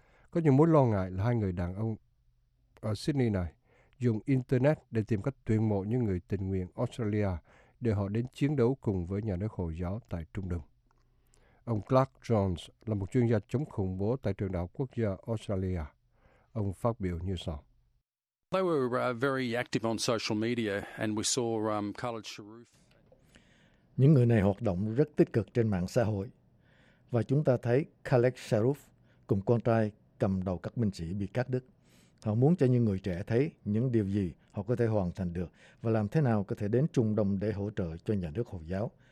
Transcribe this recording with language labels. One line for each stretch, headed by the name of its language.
Vietnamese: Có những mối lo ngại là hai người đàn ông ở Sydney này dùng Internet để tìm cách tuyển mộ những người tình nguyện Australia để họ đến chiến đấu cùng với nhà nước Hồi giáo tại Trung Đông. Ông Clark Jones là một chuyên gia chống khủng bố tại Trường Đại học Quốc gia Australia. Ông phát biểu như sau.
English: They were very active on social media and we saw Khaled Sharouf.
Vietnamese: Những người này hoạt động rất tích cực trên mạng xã hội. Và chúng ta thấy Khaled Sharouf cùng con trai cầm đầu các binh sĩ bị cắt đứt. Họ muốn cho những người trẻ thấy những điều gì họ có thể hoàn thành được và làm thế nào có thể đến Trung Đông để hỗ trợ cho nhà nước Hồi giáo.